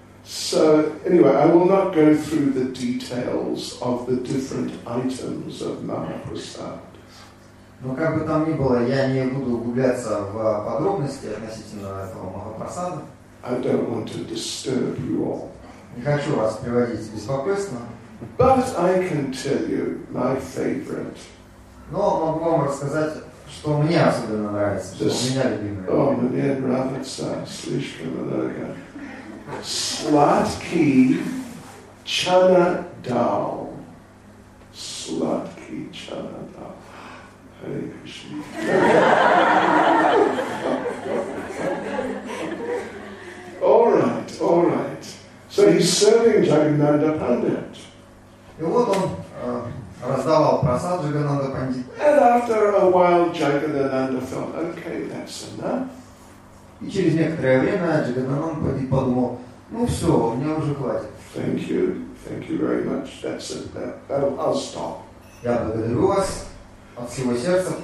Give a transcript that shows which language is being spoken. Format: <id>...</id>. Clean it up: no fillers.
<en>So anyway, I will not go through the details of the different items of Mahaprasad.</en> <ru>Но как бы там ни было, я не буду углубляться в подробности относительно этого Махапрасада.</ru> <en>I don't want to disturb you all.</en> <ru>Не хочу вас приводить в беспокойство.</ru> <en>But I can tell you my favorite.</en> <ru>Но могу вам рассказать, что мне особенно нравится, что у меня любимое. Oh, мне нравится слишком много. Сладкий чана дал. Сладкий чана дал. Харе Кришна.</ru> <en>All right. So he's serving Jagannanda Pandit.</en> <ru>И вот он раздавал прасад Джагананда Пандит.</ru> <en>And after a while, Jagannanda felt, okay, that's enough.</en> <ru>И через некоторое время Джагананда Пандит подумал, ну все, мне уже хватит.</ru> <en>Thank you very much. That's it. I'll stop.</en> <ru>Я благодарю вас от всего сердца.</ru>